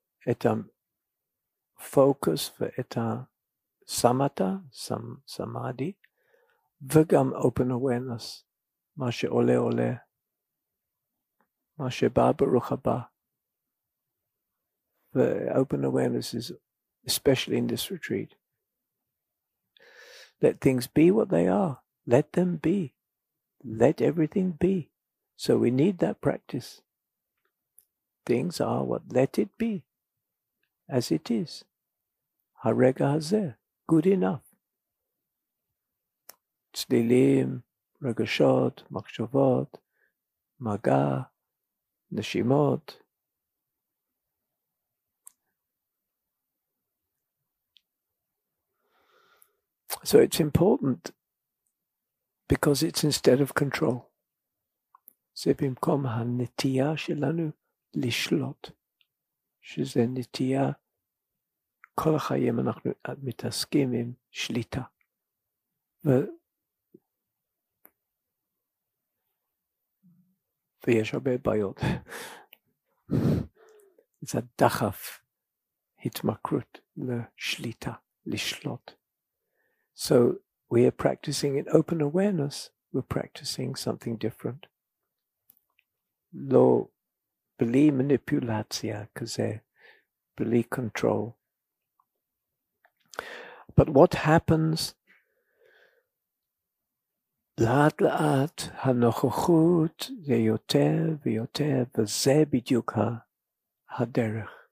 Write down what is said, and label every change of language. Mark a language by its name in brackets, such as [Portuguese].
[Hebrew] את הפוקוס ואת הסמטה, סמאדי, וגם open awareness, מה שעולה עולה, מה שבא ברוך הבא. [English] Open awareness is especially in this retreat. Let things be what they are. Let them be. Let everything be. So we need that practice. Things are what, let it be as it is. [Hebrew] הרגע הזה, [English] good enough. [Hebrew] צלילים, רגשות, מחשבות, מגע, נשימות. [English] So it's important because it's instead of control. [Hebrew] זה במקום הנטייה שלנו לשלוט, שזה נטייה, כל החיים אנחנו מתעסקים עם שליטה. ויש הרבה בעיות. זה הדחף, התמכרות לשליטה, לשלוט. [English] So we are practicing in open awareness, we're practicing something different. [Hebrew] לא בלי מניפולציה כזה, בלי קונטרול. [English] But what happens? [Hebrew] לאט לאט הנוכחות זה יותר ויותר, וזה בדיוק הדרך.